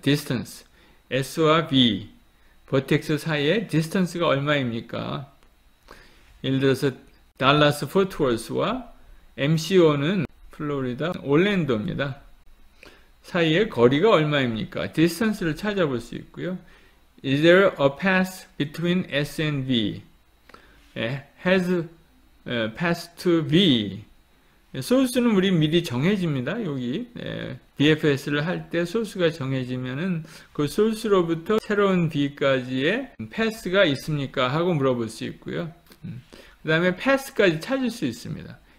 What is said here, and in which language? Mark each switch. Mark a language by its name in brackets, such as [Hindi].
[Korean] distance, S와 V, 버텍스 사이의 distance가 얼마입니까? 예를 들어서 달라스 포트워스와 MCO는 플로리다 올랜도입니다. 사이의 거리가 얼마입니까? distance를 찾아볼 수 있고요. [English] Is there a path between S and V? Has path to V? [Korean] 소스는 우리 미리 정해집니다. 여기 BFS를 할때 소스가 정해지면은 그 소스로부터 새로운 B까지의 패스가 있습니까? 하고 물어볼 수 있고요. 그다음에 패스까지 찾을 수 있습니다.